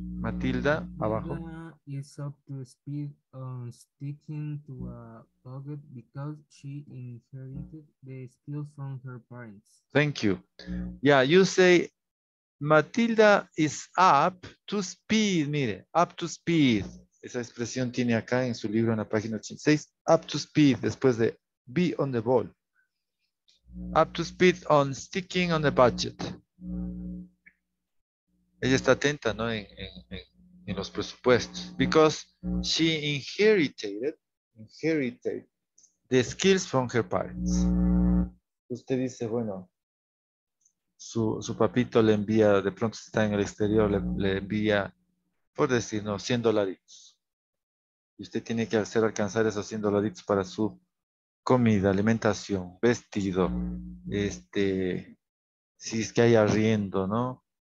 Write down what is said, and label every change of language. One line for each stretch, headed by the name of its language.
Spanish: Matilda, abajo.
English: Is up to speed on sticking to a budget because she inherited the skills from her parents. Thank you. Yeah, you say Matilda is up to speed.
Spanish: Mire,
English: up to speed.
Spanish: Esa expresión tiene acá en su libro en la página 86.
English: Up to speed,
Spanish: después de
English: be on the ball. Up to speed on sticking on the budget.
Spanish: Ella está atenta, ¿no? En los presupuestos.
English: Because she inherited the skills from her parents.
Spanish: Usted dice, bueno, su papito le envía, de pronto está en el exterior, le envía, por decir, ¿no? 100 dolaritos. Y usted tiene que hacer alcanzar esos 100 dolaritos para su comida, alimentación, vestido, si es que hay arriendo, ¿no?